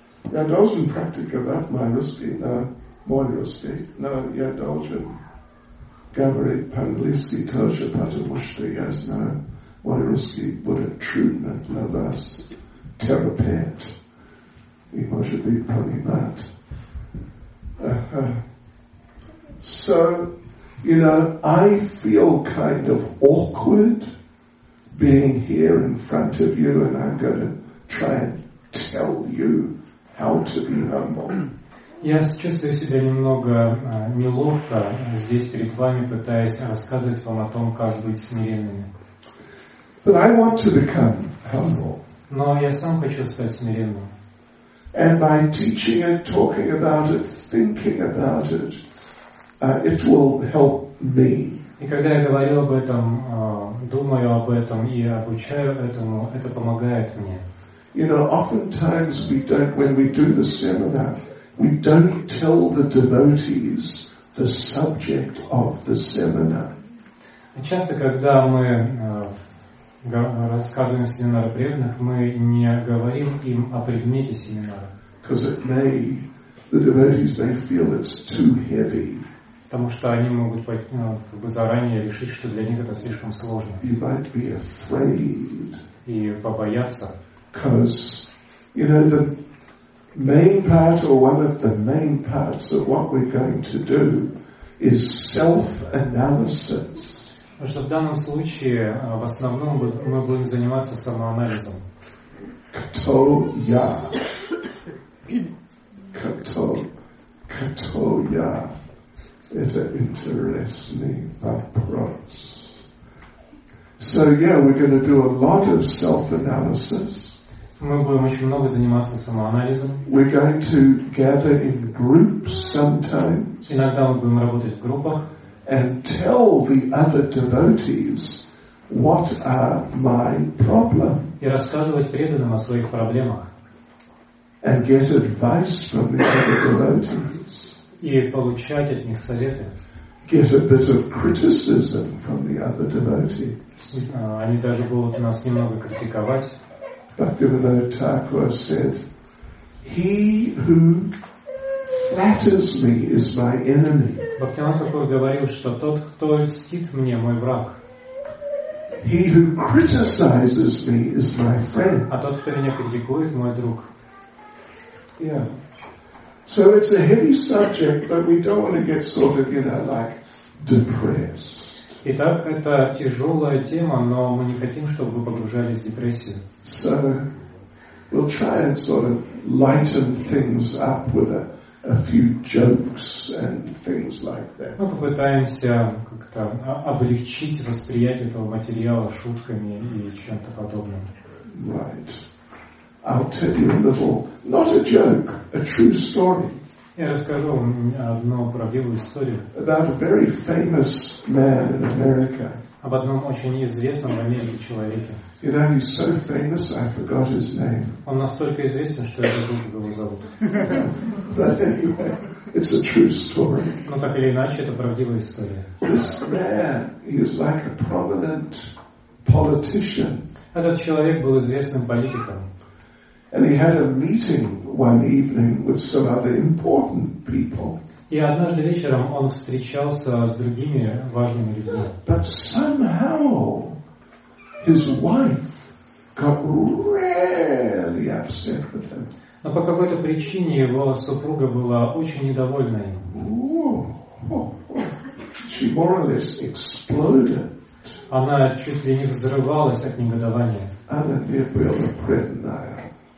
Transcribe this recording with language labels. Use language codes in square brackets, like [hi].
[ru] Я должен практиковать мой русский, но я должен говорить по-английски тоже, потому что я знаю, мой русский будет трудно для вас, терапевт, и может быть понимать. [en] So, you know, I feel kind of awkward being here in front of you, and I'm going to try and tell you how to be humble. [ru] Я чувствую себя немного неловко здесь перед вами, пытаясь рассказывать вам о том, как быть смиренными. [en] But I want to become humble. [ru] Но я сам хочу стать смиренным. [en] And by teaching it, talking about it, thinking about it, it will help me. [ru] И когда я говорю об этом, думаю об этом и обучаю этому, это помогает мне. [en] You know, oftentimes we don't, when we do the seminar, we don't tell the devotees the subject of the seminar. [ru] Часто, когда мы рассказываем семинар преданных, мы не говорим им о предмете семинара. [en] Because it may, the devotees may feel it's too heavy. [ru] Потому что они могут заранее решить, что для них это слишком сложно. [en] You might be afraid. [ru] И побояться. [en] Because, you know, main part, or one of the main parts of what we're going to do, is self-analysis. [ru] Потому что в данном случае в основном мы будем заниматься самоанализом. Кто я? Кто я? Это интересный вопрос. [en] So yeah, we're going to do a lot of self-analysis. [ru] Мы будем очень много заниматься самоанализом. [en] We're going to gather in groups sometimes. [ru] Иногда мы будем работать в группах. [en] And tell the other devotees what are my problems. [ru] И рассказывать преданным о своих проблемах. [en] And get advice from the other devotees. [ru] И получать от них советы. [en] Get a bit of criticism from the other devotees. [ru] Они даже будут нас немного критиковать. [en] Бхактивинода Тхакура said, "He who flatters me is my enemy." [ru] Бхактивинода Тхакура говорил, что тот, кто льстит мне, мой враг. [en] "He who criticizes me is my friend." [ru] А тот, кто меня критикует, мой друг. [en] Yeah. So it's a heavy subject, but we don't want to get sort of, you know, like depressed. [ru] Итак, это тяжелая тема, но мы не хотим, чтобы вы погружались в депрессию. [en] So, we'll try and sort of lighten things up with a few jokes and things like that. [ru] Мы попытаемся как-то облегчить восприятие этого материала шутками и чем-то подобным. [en] Right. I'll tell you a little, not a joke, a true story. [ru] Я расскажу вам одну правдивую историю. [en] About a very famous man in America. [ru] Об одном очень известном в Америке человеке. [en] You know, he's so famous, I forgot his name. [ru] Он настолько известен, что я забыл, как его зовут. [en] But anyway, it's a true story. [ru] Но так или иначе, это правдивая история. [en] This man, he was like a prominent politician. [ru] Этот человек был известным политиком. [en] And he had a meeting one evening with some other important people. [ru] И однажды вечером он встречался с другими важными людьми. [en] But somehow his wife got really upset with him. [ru] Но по какой-то причине его супруга была очень недовольна им. [en] She more or less exploded. [ru] Она чуть ли не взрывалась от негодования. Она не была преданная.